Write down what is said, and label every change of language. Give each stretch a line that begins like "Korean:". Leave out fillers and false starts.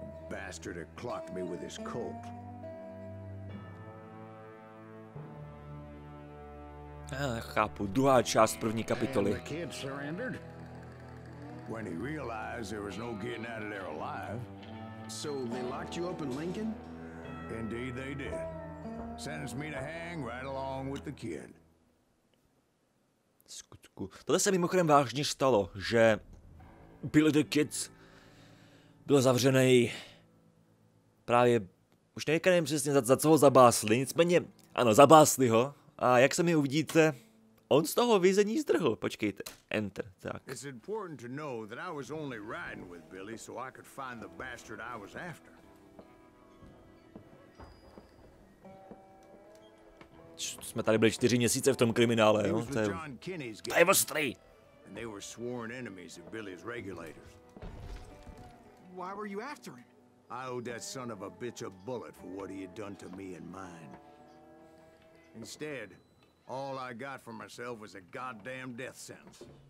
English: Bastard had clocked me with his Colt.
Czech: Chápu, druhá část první kapitoly.
English: And the kid surrendered when he realized there was no getting out of there alive. So they locked you up in Lincoln? Indeed they did. Sentenced me to hang right along with the kid.
Czech: Skutku. Tohle se mimochodem vážně stalo, že Billy the Kid byl zavřený. Právě, už nevím přesně za co ho zabásli, nicméně, ano, zabásli ho, a jak se mi uvidíte, on z toho vězení zdrhl, počkejte, enter, tak.
English: It's important to know that I was only riding with Billy so I could find the bastard I was after.
Czech: Jsme tady byli 4 měsíce v tom kriminále, jo, to je ostrý.
English: And they were sworn enemies of Billy's regulators. Why were you after him? I owed that son of a bitch a bullet for what he had done to me and mine. Instead, all I got for myself was a goddamn death sentence.